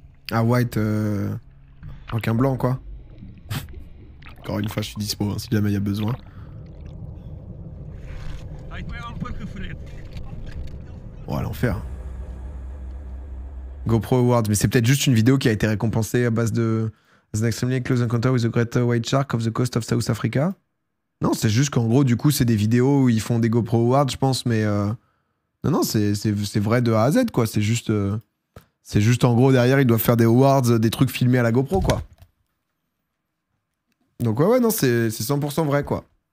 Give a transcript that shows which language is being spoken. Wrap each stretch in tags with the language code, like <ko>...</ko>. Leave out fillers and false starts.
<fr>Ah, white, aucun blanc, quoi. Encore une fois, je suis dispo, hein, si jamais il y a besoin. Oh, l'enfer. GoPro Awards, mais c'est peut-être juste une vidéo qui a été récompensée à base de...</fr> <en>An extremely close encounter with the great white shark off the coast of South Africa.</en> <fr>Non, c'est juste qu'en gros, du coup, c'est des vidéos où ils font des GoPro Awards, je pense, mais... Non, c'est vrai de A à Z, quoi. C'est juste... C'est juste en gros derrière ils doivent faire des awards, des trucs filmés à la GoPro quoi. Donc ouais non c'est 100% vrai quoi.</fr>